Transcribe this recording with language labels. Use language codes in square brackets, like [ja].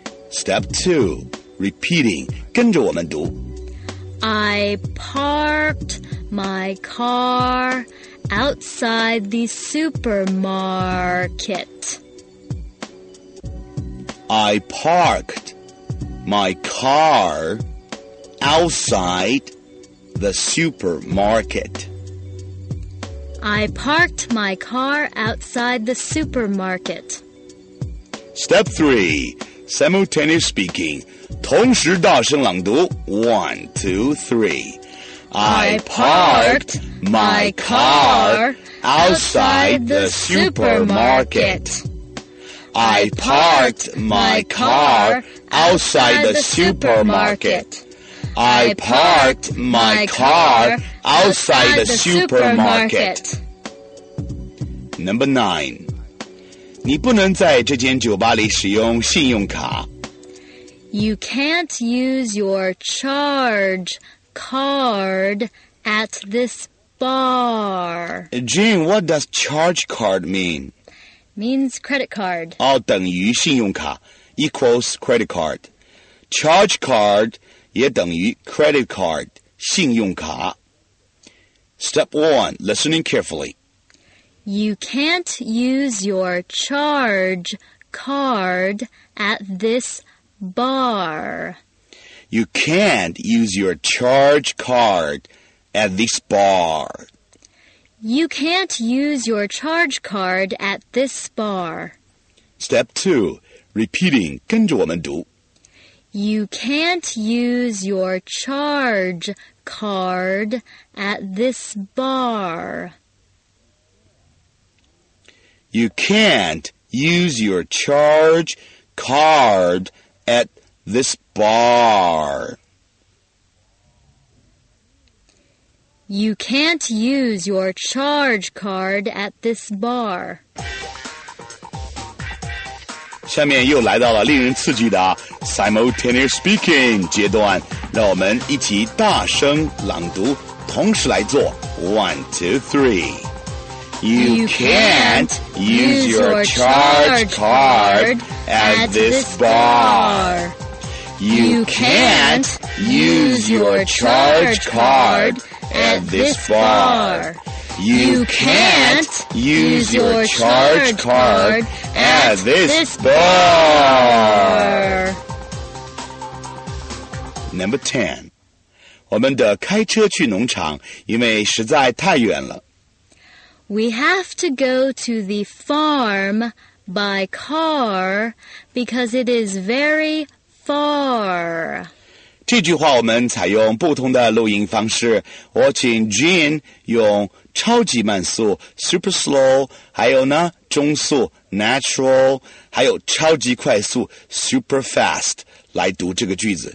[en] Step 2, repeating, [zh] 跟着我们读。 [en] I parked my car outside the supermarket. I parked my car outside the supermarket. I parked my car outside the supermarket. Step 3, simultaneous speaking. [zh] 同时大声朗读 [en] One, two, three. I parked my car outside the supermarket. I parked my car outside the supermarket. I parked my car outside the supermarket. Number 9. [zh] 你不能在这间酒吧里使用信用卡。 [en] You can't use your charge card at this bar. Jane, what does charge card mean? Means credit card. [zh] 哦，等于信用卡 [en] equals credit card. [zh] Charge card 也等于 credit card, 信用卡。 [en] Step 1, listening carefully. You can't use your charge card at this bar. You can't use your charge card at this bar. You can't use your charge card at this bar. Step 2, repeating, [zh] 跟着我们读。 [en] You can't use your charge card at this bar. You can't use your charge card at this bar. You can't use your charge card at this bar. [zh] 下面又来到了令人刺激的 [en] simultaneous speaking [zh] 阶段，让我们一起大声朗读，同时来做 1, 2, 3. [en] You can't use your charge card at this bar. You can't use your charge card at this bar. You can't use your charge card at this bar. Number 10. [zh] 我们得开车去农场，因为实在太远了。 [en] We have to go to the farm by car because it is very far. [zh] 这句话我们采用不同的录音方式。我请 Jean 用超级慢速 super slow, 还有呢中速 natural, 还有超级快速 super fast 来读这个句子。